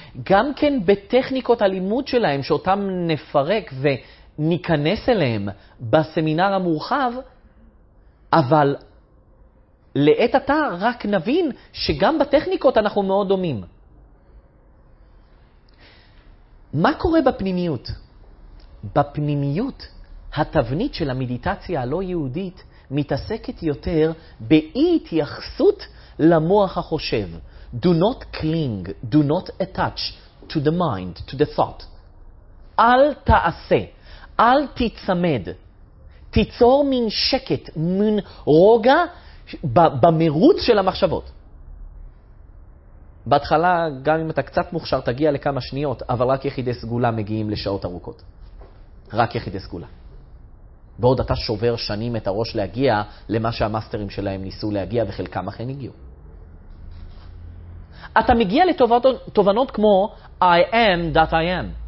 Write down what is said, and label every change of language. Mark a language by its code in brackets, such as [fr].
[he] גם כן בטכניקות הלימוד שלהם, שאותם נפרק וניכנס אליהם בסמינר המורחב, אבל לעת עתה רק נבין שגם בטכניקות אנחנו מאוד דומים. מה קורה בפנימיות? בפנימיות, התבנית של המדיטציה הלא יהודית מתעסקת יותר באי התייחסות למוח החושב. [en] Do not cling, do not attach to the mind, to the thought. [he] אל תעשה, אל תצמד, תיצור מין שקט, מין רוגע, במרוץ של המחשבות. בהתחלה, גם אם אתה קצת מוכשר, תגיע לכמה שניות, אבל רק יחידי סגולה מגיעים לשעות ארוכות. רק יחידי סגולה. בעוד אתה שובר שנים את הראש להגיע למה שהמאסטרים שלהם ניסו להגיע, וחלקם אכן הגיעו. אתה מגיע לתובנות כמו [en] I am that I am.